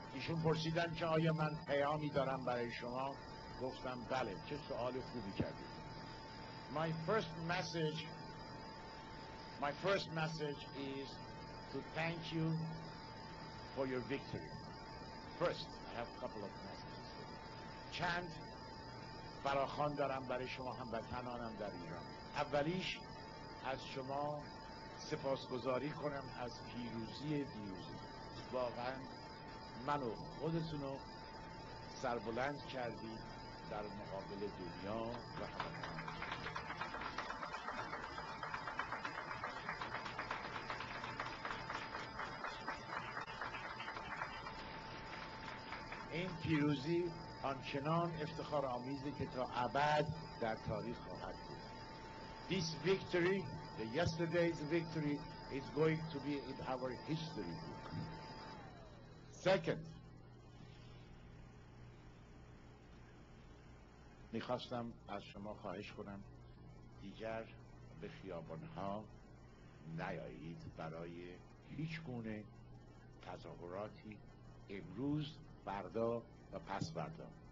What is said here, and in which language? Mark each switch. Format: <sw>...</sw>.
<fa>ایشون پرسیدن که آیا من پیامی دارم برای شما؟ گفتم بله. چه سوال خوبی کردید.</fa> <en>My first message is to thank you for your victory. First, I have a couple of messages.</en> <fa>چند فراخوان دارم برای شما هموطنانم در ایران. اولیش از شما سپاسگزاری کنم از پیروزی دیروزی. واقعا منو خودتونو سربلند کردی در مقابل دنیا و همه‌مون. این پیروزی آنچنان افتخار آمیزه که تا ابد در تاریخ خواهد بود.</fa> <en>This victory, the yesterday's victory, is going to be in our history book. Second,</en> <fa>میخواستم از شما خواهش کنم دیگر به خیابانها نیایید برای هیچ گونه تظاهراتی امروز، فردا و پس فردا،</fa>